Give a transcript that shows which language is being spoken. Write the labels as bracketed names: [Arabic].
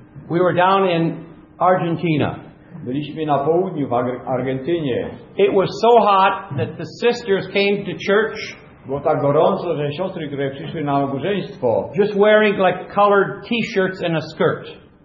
[English] We were down in Argentina. [Polish] Byliśmy na południu w Argentynie. [English] It was so hot that the sisters came to church. [Polish] Było tak gorąco, że siostry, które przyszły na nabożeństwo, [English] just wearing like colored t-shirts and a skirt.